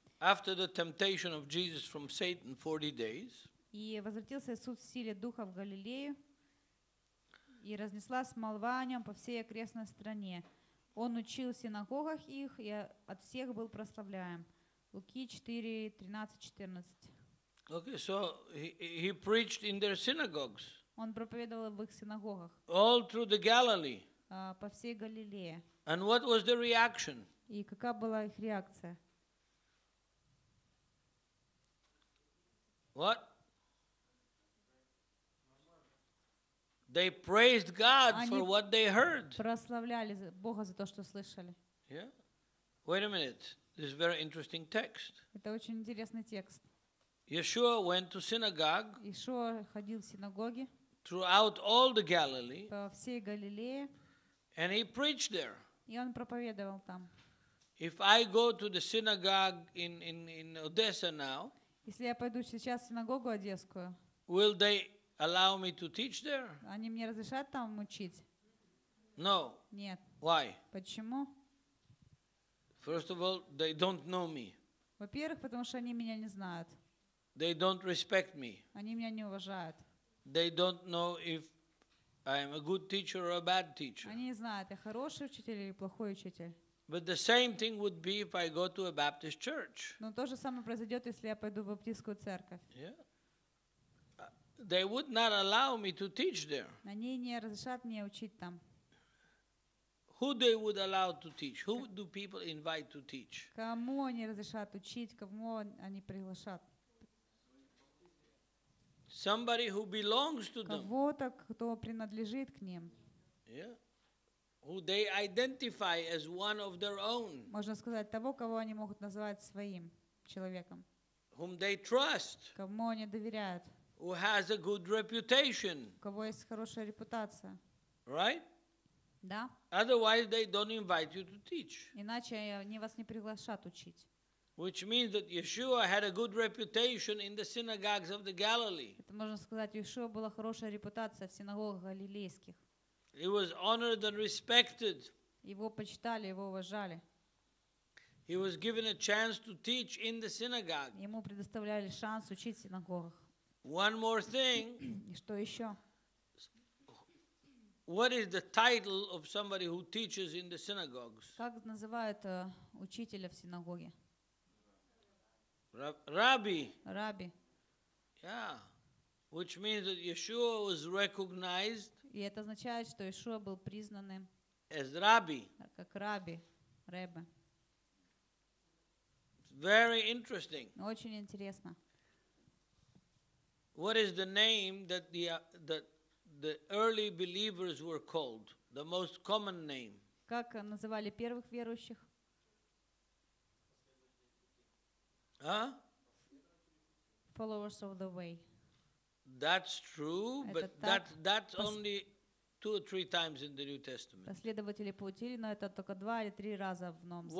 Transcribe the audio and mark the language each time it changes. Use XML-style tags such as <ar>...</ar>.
<en>After the temptation of Jesus from Satan 40 days.</en> <ru>И возвратился Иисус в силе Духа в Галилею. И разнеслась молва о нем по всей окрестной стране. Он учил в синагогах их, и от всех был прославляем. Луки 4:13-14.</ru> <en>Okay, so he preached in their synagogues.</en> <ru>Он проповедовал в их синагогах.</ru> <en>All through the Galilee.</en> <ru>По всей Галилее.</ru> <en>And what was the reaction?</en> <ru>И какая была их реакция?</ru> <en>What? They praised God for what they heard.</en> <ru>Прославляли Бога за то, що слышали.</ru> <en>Yeah. Wait a minute. This is a very interesting text.</en> <ru>Это очень интересный текст.</ru> <en>Yeshua went to synagogue.</en> <ru>Иешуа ходил в синагоге.</ru> <en>Throughout all the Galilee.</en> <ru>По всей Галилее.</ru> <en>And he preached there.</en> <ru>И он проповедовал там.</ru> <en>If I go to the synagogue in Odessa now.</en> <ru>Если я пойду сейчас в синагогу одесскую.</ru> <en>Will they allow me to teach there?</en> <ru>Они мне разрешат там учить?</ru> <en>No.</en> <ru>Нет.</ru> <en>Why?</en> <ru>Почему?</ru> <en>First of all, they don't know me.</en> <ru>Во-первых, потому что они меня не знают.</ru> <en>They don't respect me.</en> <ru>Они меня не уважают.</ru> <en>They don't know if I'm a good teacher or a bad teacher.</en> <ru>Они не знают, я хороший учитель или плохой учитель.</ru> <en>But the same thing would be if I go to a Baptist church.</en> <ru>Но то же самое произойдет, если я пойду в баптистскую церковь.</ru> <en>Yeah. They would not allow me to teach there.</en> <ru>Они не разрешат мне учить там.</ru> <en>Who they would allow to teach? Who do people invite to teach?</en> <ru>Кому они разрешат учить? Кому они приглашают?</ru> <en>Somebody who belongs to them.</en> <ru>Кого-то, кто принадлежит к ним.</ru> <en>Yeah. Who they identify as one of their own.</en> <ru>Можно сказать того, кого они могут называть своим человеком.</ru> <en>Whom they trust.</en> <ru>Кому они доверяют?</ru> <en>Who has a good reputation?</en> <ru>Кого есть хорошая репутация?</ru> <en>Right?</en> <ru>Да.</ru> <en>Otherwise, they don't invite you to teach.</en> <ru>Иначе они вас не приглашают учить.</ru> <en>Which means that Yeshua had a good reputation in the synagogues of the Galilee.</en> <ru>Это можно сказать, Иешуа была хорошая репутация в синагогах галилейских.</ru> <en>He was honored and respected.</en> <ru>Его почитали, его уважали.</ru> <en>He was given a chance to teach in the synagogue.</en> <ru>Ему предоставляли шанс учить в синагогах.</ru> <en>One more thing.</en> <ru>Что еще?</ru> <en>What is the title of somebody who teaches in the synagogues?</en> <ru>Как называют учителя в синагоге?</ru> <en>Rabbi.</en> <ru>Rabbi.</ru> <en>Yeah. Which means that Yeshua was recognized.</en> <ru>И это означает, что Иешуа был признанным</ru> <en>as rabbi.</en> <ru>Как раби, ребе.</ru> <en>Very interesting.</en> <ru>Очень интересно.</ru> <en>What is the name that the early believers were called? The most common name.</en> <ru>Как называли первых верующих? А? Huh?</ru> <en>Followers of the way. That's true, but that's only two or three times in the New Testament.</en> <ru>Последователи пути, но это только два или три раза в Новом Завете.</ru>